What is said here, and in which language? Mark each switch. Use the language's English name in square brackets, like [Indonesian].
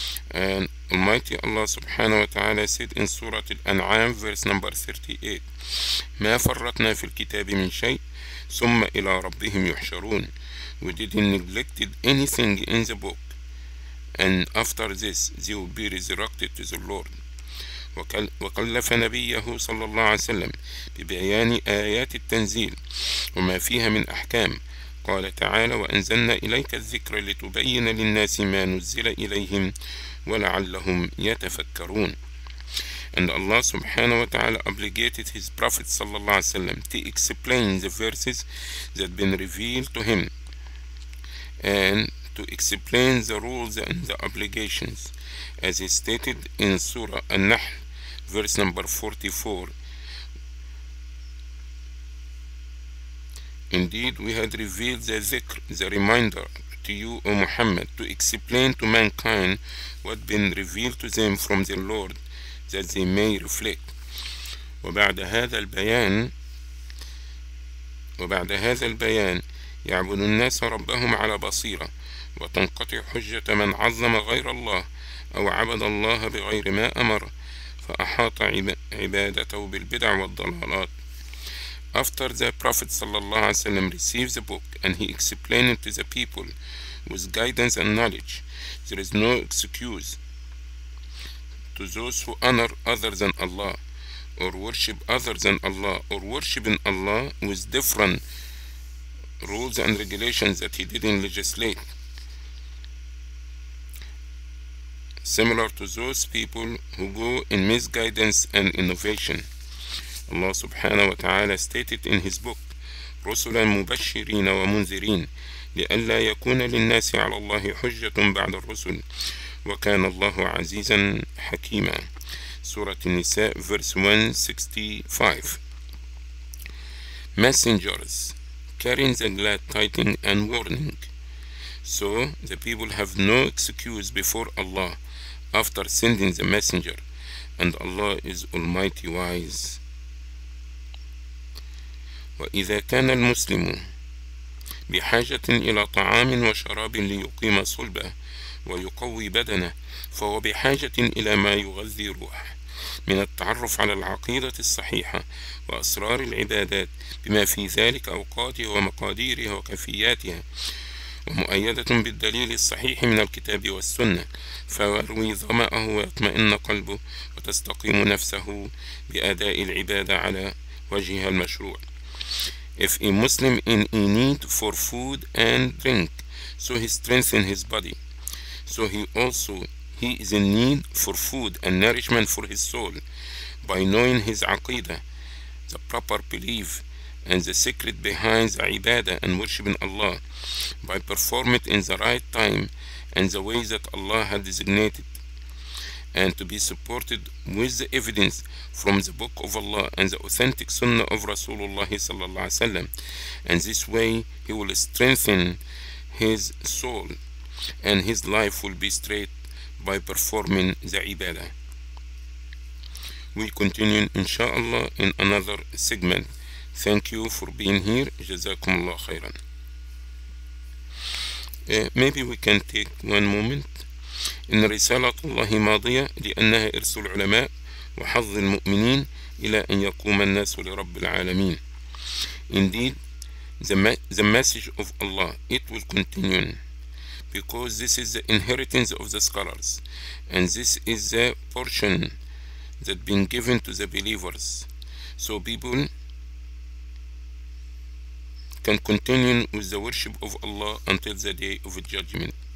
[English] And Almighty Allah subhanahu wa ta'ala said in Surah Al-An'am verse number 38: [Arabic] مَا فَرَّطْنَا فِي الْكِتَابِ مِنْ شَيْءٍ ثُمَّ إِلَىٰ رَبِّهِمْ يُحْشَرُونَ. [English] We didn't neglect anything in the book, and after this they will be resurrected to the Lord. [Arabic] وكلف نبيه صلى الله عليه وسلم ببيان آيات التنزيل وما فيها من أحكام، قال تعالى: وأنزلنا إليك الذكر لتبين للناس ما نزل إليهم ولعلهم يتفكرون. [English] And Allah subhanahu wa ta'ala obligated his prophet [Arabic] صلى الله عليه وسلم [English] to explain the verses that been revealed to him and to explain the rules and the obligations, as he stated in Surah An-Nahl verse number 44: Indeed we had revealed the zikr, the reminder, to you O Muhammad, to explain to mankind what been revealed to them from the Lord, that they may reflect. [Arabic] وبعد هذا البيان يعبد الناس ربهم على بصيرة، وتنقطع حجة من عظم غير الله أو عبد الله بغير ما أمر فأحاط عبادته بالبدع والضلالات. [English] After the Prophet [Arabic] صلى الله عليه وسلم [English] received the book and he explained it to the people with guidance and knowledge, there is no excuse to those who honor other than Allah or worship other than Allah or worshiping Allah with different rules and regulations that he didn't legislate, similar to those people who go in misguidance and innovation. Allah subhanahu wa ta'ala stated in his book: [Arabic] رسلا مبشرين ومنذرين لئلا يكون للناس على الله حجة بعد الرسل وكان الله عزيزا حكيما. [English] سورة النساء verse 165: messengers carrying the glad tidings and warning, so the people have no excuse before Allah after sending the messenger, and Allah is Almighty wise. [Arabic] وإذا كان المسلم بحاجة إلى طعام وشراب ليقيم صلبه ويقوي بدنه فهو بحاجة إلى ما يغذي روحه من التعرف على العقيدة الصحيحة وأسرار العبادات بما في ذلك أوقاتها ومقاديرها وكفياتها، ومؤيدة بالدليل الصحيح من الكتاب والسنة، فيروي ظمأه ويطمئن قلبه وتستقيم نفسه بأداء العبادة على وجهها المشروع. [English] If a Muslim in a need for food and drink, so he strengthens his body, so he is in need for food and nourishment for his soul by knowing his aqidah, the proper belief and the secret behind the ibadah and worshiping Allah, by performing it in the right time and the way that Allah had designated, and to be supported with the evidence from the book of Allah and the authentic sunnah of Rasulullah sallallahu alaihi wasallam. And this way he will strengthen his soul and his life will be straight by performing the ibadah. We continue inshallah in another segment. Thank you for being here. [Arabic] جزاكم الله خيرا. [English] Maybe we can take one moment. [Arabic] إن رسالة الله ماضية لأنها إرث العلماء وحظ المؤمنين إلى أن يقوم الناس لرب العالمين. [English] Indeed, the message of Allah, it will continue because this is the inheritance of the scholars and this is the portion that been given to the believers. So people can continue with the worship of Allah until the day of judgment.